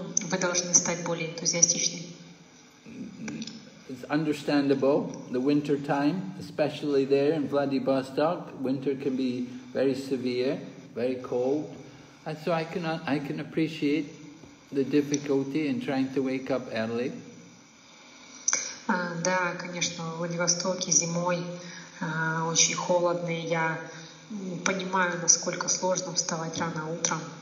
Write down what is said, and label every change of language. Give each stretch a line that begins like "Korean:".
Russian: Вы должны стать более энтузиастичными.
English: It's understandable, the winter time, especially there in Vladivostok, winter can be very severe, very cold. And so I can appreciate the difficulty in trying to wake up early.
Russian: Да, конечно, в Владивостоке зимой очень холодно, и я понимаю, насколько сложно вставать рано утром.